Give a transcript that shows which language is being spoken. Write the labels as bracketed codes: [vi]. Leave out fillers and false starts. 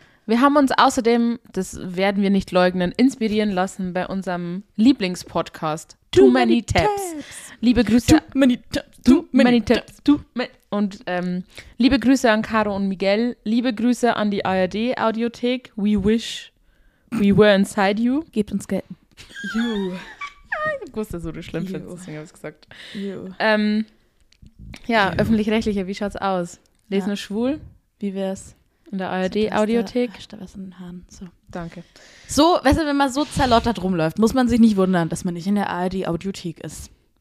[de] Wir haben uns außerdem, das werden wir nicht leugnen, inspirieren lassen bei unserem Lieblingspodcast Too Many Tabs. Liebe Grüße. Too Many Tabs. Und liebe Grüße an Caro und Miguel. Liebe Grüße an die ARD-Audiothek. [en] We wish we were inside you. [de] Gebt uns Geld. [en] You. [de] Ich wusste, dass du schlimm findest, deswegen habe ich es gesagt. Öffentlich-rechtliche, wie schaut's aus? Lesen ist schwul? Wie wär's? In der ARD-Audiothek? Ich da was in den Haaren. So. Danke. So, weißt du, wenn man so zerlottert rumläuft, muss man sich nicht wundern, dass man nicht in der ARD-Audiothek ist.